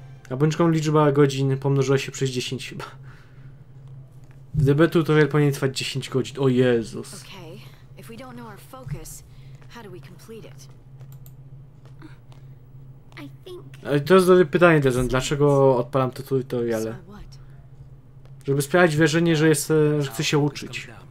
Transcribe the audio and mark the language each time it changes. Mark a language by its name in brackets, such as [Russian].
[Polish] Abonczką liczba godzin pomnożyła się przez 10 chyba. W DB tutorial powinien trwać 10 godzin. O Jezus. Okay. [English] If we don't know our focus, how do we complete it? I think... [Polish] To jest dobre pytanie, Dezen. Dlaczego odpalam te tutoriale? Żeby sprawiać wrażenie, że jest, że chcę się uczyć.